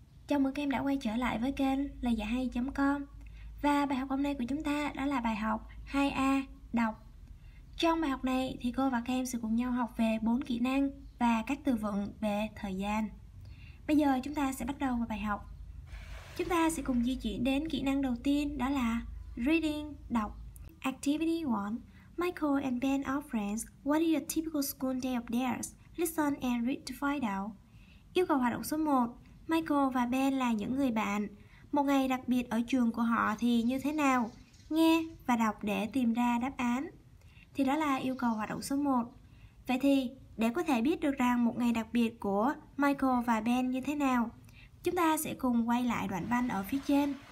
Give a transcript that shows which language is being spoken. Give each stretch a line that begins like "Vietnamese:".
Vietnamese: Chào mừng các em đã quay trở lại với kênh lehahai.com. Và bài học hôm nay của chúng ta đó là bài học 2A đọc. Trong bài học này thì cô và các em sẽ cùng nhau học về 4 kỹ năng và các từ vựng về thời gian. Bây giờ chúng ta sẽ bắt đầu vào bài học. Chúng ta sẽ cùng di chuyển đến kỹ năng đầu tiên đó là reading, đọc.
English: Activity 1. Michael and Ben are friends. What is a typical school day of theirs? Listen and read to find out.
Vietnamese: Yêu cầu hoạt động số 1. Michael và Ben là những người bạn. Một ngày đặc biệt ở trường của họ thì như thế nào? Nghe và đọc để tìm ra đáp án. Thì đó là yêu cầu hoạt động số 1. Vậy thì, để có thể biết được rằng một ngày đặc biệt của Michael và Ben như thế nào, chúng ta sẽ cùng quay lại đoạn văn ở phía trên.